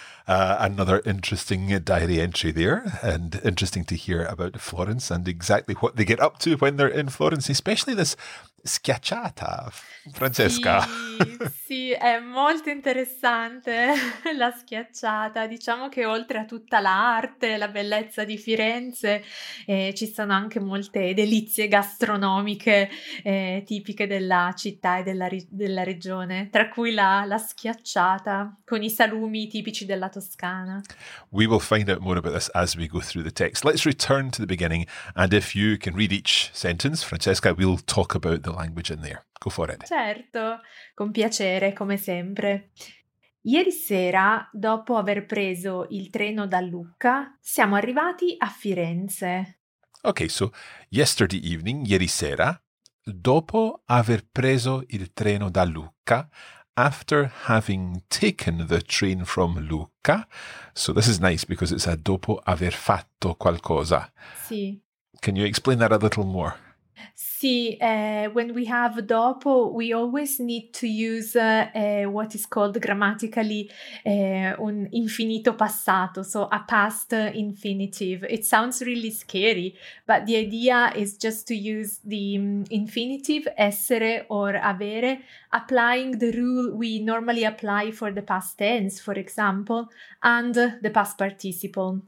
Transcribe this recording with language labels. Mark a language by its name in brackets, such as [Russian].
[English] Another interesting diary entry there, and interesting to hear about Florence and exactly what they get up to when they're in Florence, especially this schiacciata, Francesca. [Italian] Sì, sì, è molto interessante la schiacciata. Diciamo che oltre a tutta l'arte, la bellezza di Firenze, ci sono anche molte delizie gastronomiche tipiche della città e della regione, tra cui la schiacciata con i salumi tipici della Toscana. [English] We will find out more about this as we go through the text. Let's return to the beginning, and if you can read each sentence, Francesca, we'll talk about the language in there. Go for it. [Italian] Certo, con piacere, come sempre. Ieri sera, dopo aver preso il treno da Lucca, siamo arrivati a Firenze. [English] Okay, so yesterday evening, [Italian] ieri sera, dopo aver preso il treno da Lucca, [English] after having taken the train from Lucca. So this is nice because it's a [Italian] dopo aver fatto qualcosa. Sì. [English] Can you explain that a little more? Sì, when we have dopo, we always need to use what is called grammatically [Italian] un infinito passato, [English] so a past infinitive. It sounds really scary, but the idea is just to use the infinitive essere or avere, applying the rule we normally apply for the past tense, for example, and the past participle.